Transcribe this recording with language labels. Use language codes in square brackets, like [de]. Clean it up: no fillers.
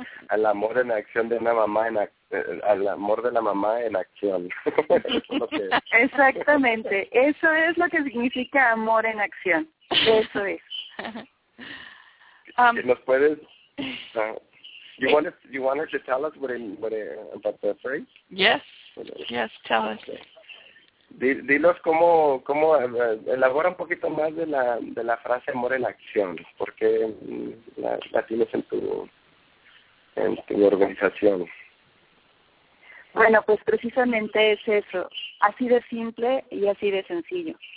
[es] Al amor en acción de una mamá, al amor de la mamá en acción. Exactamente, eso es lo que significa amor en acción, eso es. ¿Nos puedes? [en] You want her to tell us about the phrase? Yes, tell us. [es] Dinos cómo elabora un poquito más de la frase amor en acción, porque la tienes en tu organización. Bueno, pues precisamente es eso, así de simple y así de sencillo.